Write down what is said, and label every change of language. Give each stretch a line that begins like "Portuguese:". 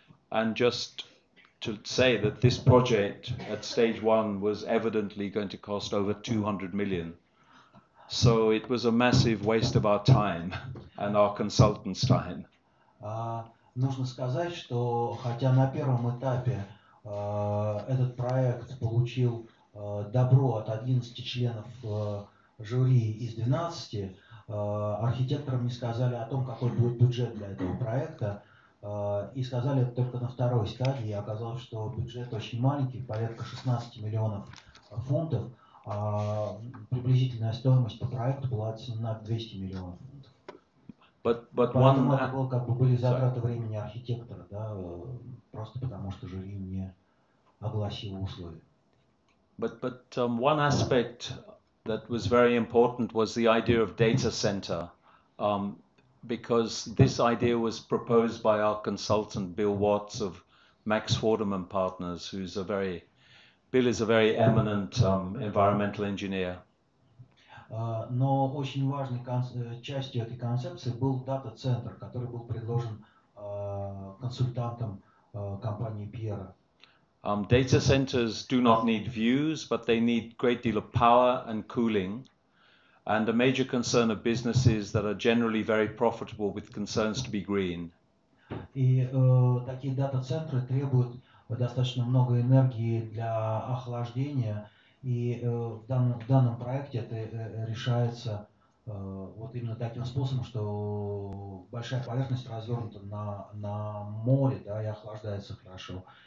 English: And just to say that this project at stage one was evidently going to cost over £200 million. So it was a massive waste of our time and our consultants' time.
Russian: Нужно сказать, что хотя на первом этапе этот проект получил добро от 11 членов жюри из 12, архитекторам не сказали о том, какой будет бюджет для этого проекта, и сказали это только на второй стадии, и оказалось, что бюджет очень маленький, порядка 16 миллионов фунтов, а приблизительная стоимость по проекту была оценена в 200 миллионов.
English: But
Russian: поэтому
English: one,
Russian: это было, как бы, были затраты времени архитектора, да, просто потому что жюри не огласило условия.
English: But one aspect that was very important was the idea of data center, because this idea was proposed by our consultant Bill Watts of Max Fordham and Partners, who's a very eminent environmental engineer.
Russian: Но очень важной частью этой концепции был дата-центр, который был предложен консультантом компании Pierre.
English: Data centers do not need views, but they need great deal of power and cooling. And a major concern of businesses that are generally very profitable with concerns to be green.
Russian: И такие дата-центры требуют достаточно много энергии для охлаждения. И в данном проекте это решается вот именно таким способом, что большая поверхность развернута на море, да, и охлаждается хорошо.